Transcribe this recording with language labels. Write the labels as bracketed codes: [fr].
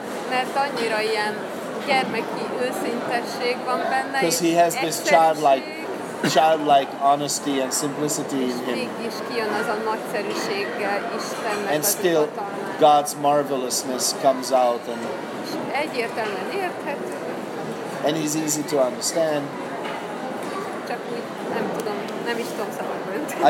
[hu] Mert annyira ilyen gyermeki őszintesség van benne. [en] Because he has this childlike honesty and simplicity in him. [hu] Mégis kijön az a nagyszerűséggel Istennek. [en] And still God's marvelousness comes out. And [hu] egyértelműen érthető. [en] And he's easy to understand. [hu] Csak úgy nem tudom, nem is tudom szavakban.